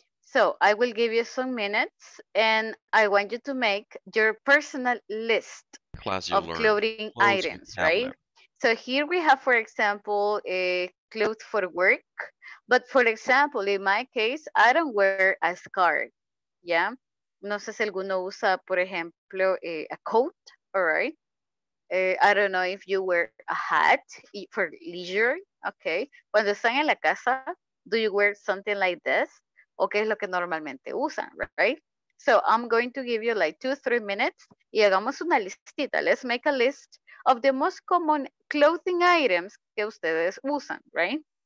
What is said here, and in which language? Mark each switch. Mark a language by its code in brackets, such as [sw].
[en] So I will give you some minutes and I want you to make your personal list of clothing items, right? So here we have, for example, a clothes for work. But for example, in my case, I don't wear a scarf, yeah? [es] No sé si alguno usa, por ejemplo, [en] a coat, all right? I don't know if you wear a hat for leisure, okay? [es] Cuando están en la casa, [en] do you wear something like this? [es] O qué es lo que normalmente usan, right? [en] So I'm going to give you like 2-3 minutes [es] y hagamos una listita. [en] Let's make a list of the most common clothing items [es] que ustedes usan, [en] right?